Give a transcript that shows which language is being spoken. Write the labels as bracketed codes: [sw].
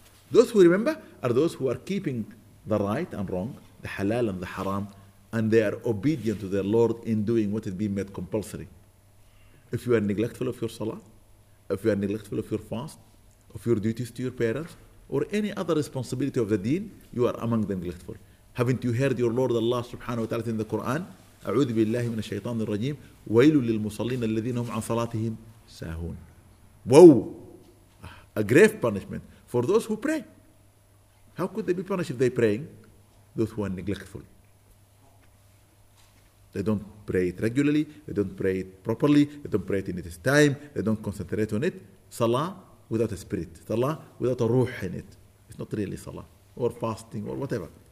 [en] Those who remember are those who are keeping the right and wrong, the halal and the haram, and they are obedient to their Lord in doing what is being made compulsory. If you are neglectful of your salah, if you are neglectful of your fast, of your duties to your parents, or any other responsibility of the deen, you are among the neglectful. Haven't you heard your Lord Allah subhanahu wa ta'ala in the Quran? [ar] أعوذ بالله من الشيطان الرجيم ويل للمصلين الذين هم عن صلاتهم ساهون. [en] Whoa! A grave punishment for those who pray. How could they be punished if they're praying? Those who are neglectful. They don't pray it regularly, they don't pray it properly, they don't pray it in its time, they don't concentrate on it. Salah without a spirit, salah without a ruh in it. It's not really salah or fasting or whatever.